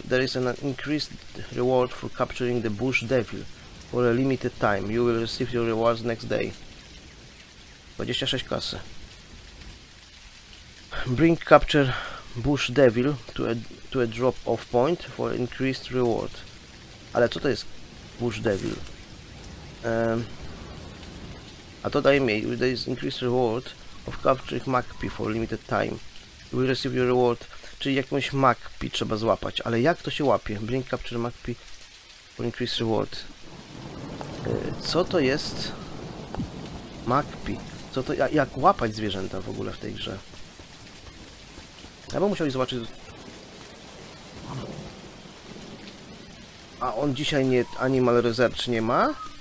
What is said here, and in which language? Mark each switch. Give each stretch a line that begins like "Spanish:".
English: There is an increased reward for capturing the Bush Devil for a limited time. You will receive your rewards next day.
Polish: 26 kasy.
English: Bring capture Bush Devil to a drop-off point for increased reward.
Polish: Ale co to jest Bush Devil? A to daje mi,
English: there is increased reward of capturing magpie for limited time. You will receive your reward.
Polish: Czyli jakąś magpie trzeba złapać. Ale jak to się łapie?
English: Bring capture magpie for increased reward.
Polish: Co to jest magpie? Co to, jak łapać zwierzęta w ogóle w tej grze? Ja bym musiał zobaczyć... A on dzisiaj nie Animal Research nie ma?